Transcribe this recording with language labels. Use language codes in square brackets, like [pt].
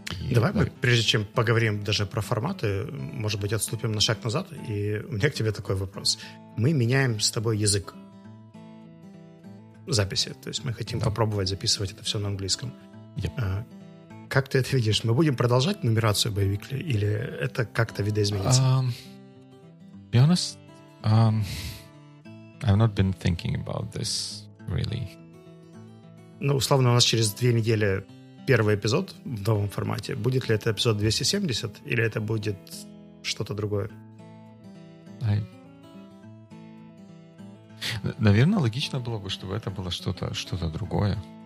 [ru] Давай мы, прежде чем поговорим даже про форматы, может быть, отступим на шаг назад, и у меня к тебе такой вопрос. Мы меняем с тобой язык записи, то есть мы хотим попробовать записывать это все на английском. Как ты это видишь? Мы будем продолжать нумерацию боевикли, или это как-то видоизменится? [en] Be honest, I've not been thinking about this, really. [ru] Ну, условно, у нас через 2 недели первый эпизод в новом формате. Будет ли это эпизод 270, или это будет что-то другое? Наверное, логично было бы, чтобы это было что-то другое.